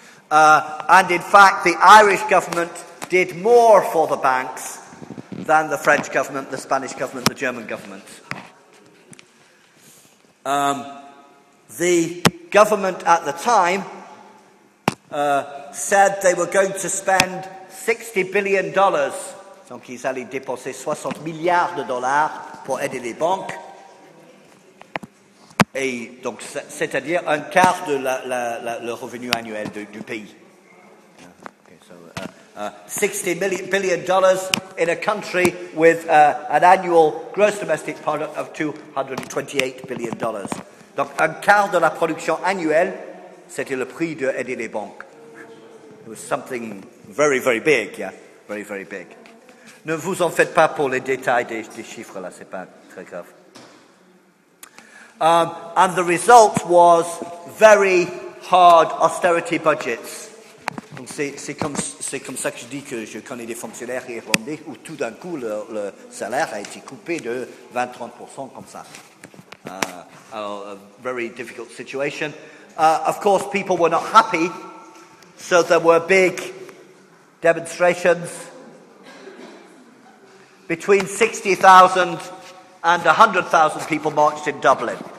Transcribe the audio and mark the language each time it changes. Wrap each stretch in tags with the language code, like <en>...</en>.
<en>And in fact, the Irish government did more for the banks than the French government, the Spanish government, the German government. The government at the time said they were going to spend $60 billion.</en> <fr>Donc ils allaient dépenser 60 milliards de dollars pour aider les banques. Et donc, c'est-à-dire un quart de le revenu annuel du pays.</fr> <en>Okay, so, $60 billion in a country with an annual gross domestic product of $228 billion.</en> <fr>Donc, un quart de la production annuelle, c'était le prix de aider les banques.</fr> <en>It was something very, very big, yeah. Very, very big.</en> <fr>Ne vous en faites pas pour les détails des chiffres là, c'est pas très grave.</fr> <en>And the result was very hard austerity budgets.</en> <fr>Donc c'est comme ça que je dis que je connais des fonctionnaires irlandais où tout d'un coup le salaire a été coupé de 20-30% comme ça.</fr> <en>A very difficult situation. Of course, people were not happy, so there were big demonstrations. Between 60,000 and 100,000 people marched in Dublin.</en>